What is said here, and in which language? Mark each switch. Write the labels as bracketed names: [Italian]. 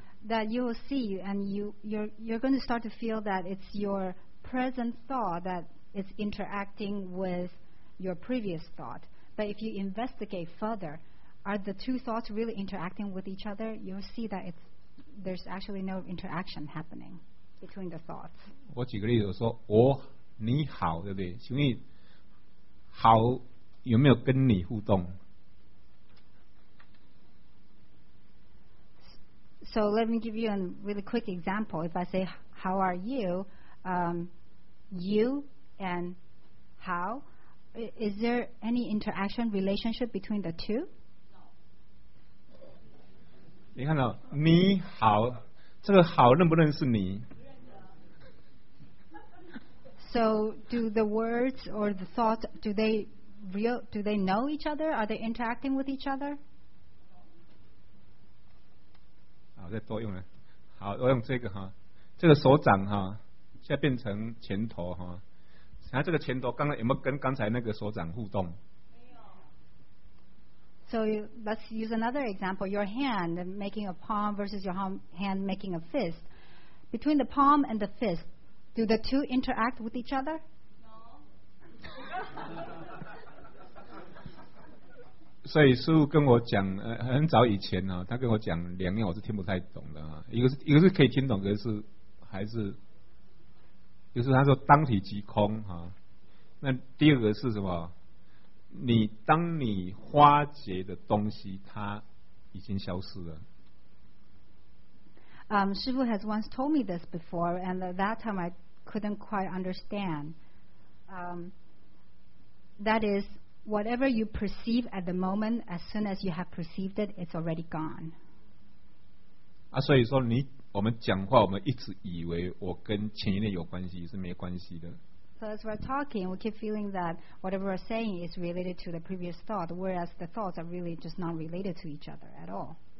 [English] that you will see, and you're going to start to feel that it's your present thought that is interacting with your previous thought. But if you investigate further, are the two thoughts really interacting with each other? You'll see that it's, there's actually no interaction happening between the thoughts. [Chinese] 我举个例子说，我你好，对不对？请问好有没有跟你互动？ [English] So let me give you a really quick example. If I say, how are you? You and how, is there any interaction relationship between the two? No. 你看到你好，这个好认不认识你？ So do the words or the thoughts, do they know each other? Are they interacting with each other? [Chinese] 好，再多用了。好，我用这个哈，这个手掌哈，现在变成拳头哈。然后这个拳头刚才有没有跟刚才那个手掌互动？没有。 [English] So let's use another example. Your hand making a palm versus your hand making a fist. Between the palm and the fist, do the two interact with each other? [Chinese] 所以师父跟我讲，很早以前呢，他跟我讲两样，我是听不太懂的啊。一个是可以听懂，一个是他说当体即空啊。那第二个是什么？你当你发觉的东西，它已经消失了。 [English] 师父 has once told me this before, and that time I couldn't quite understand. That is. Whatever you perceive at the moment, as soon as you have perceived it, it's already gone. [Chinese] 啊，所以说你我们讲话，我们一直以为我跟前一念有关系，是没关系的。 [English] So as we're talking, we keep feeling that whatever we're saying is related to the previous thought, whereas the thoughts are really just not related to each other at all.